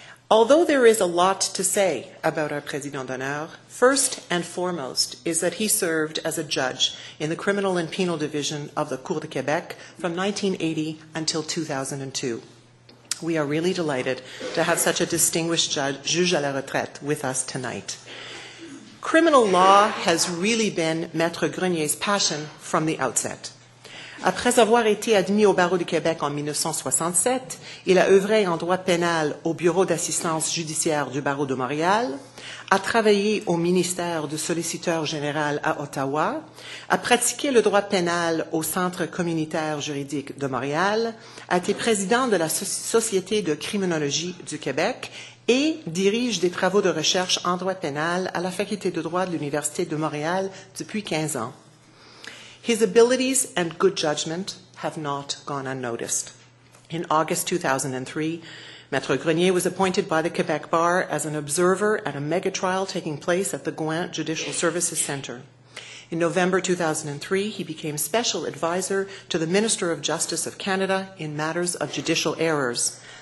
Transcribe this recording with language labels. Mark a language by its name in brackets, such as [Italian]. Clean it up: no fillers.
[English] Although there is a lot to say about our [French] président d'honneur, [English] first and foremost is that he served as a judge in the Criminal and Penal Division of the Cour de Québec from 1980 until 2002. We are really delighted to have such a distinguished judge, [French] juge à la retraite, [English] with us tonight. Criminal law has really been Maître Grenier's passion from the outset. [French] Après avoir été admis au barreau du Québec en 1967, il a œuvré en droit pénal au bureau d'assistance judiciaire du barreau de Montréal, a travaillé au ministère du solliciteur général à Ottawa, a pratiqué le droit pénal au Centre communautaire juridique de Montréal, a été président de la Société de criminologie du Québec et dirige des travaux de recherche en droit pénal à la Faculté de droit de l'Université de Montréal depuis 15 ans. [English] His abilities and good judgment have not gone unnoticed. In August 2003, Maître Grenier was appointed by the Quebec Bar as an observer at a mega trial taking place at the Gouin Judicial Services Centre. In November 2003, he became special advisor to the Minister of Justice of Canada in matters of judicial errors.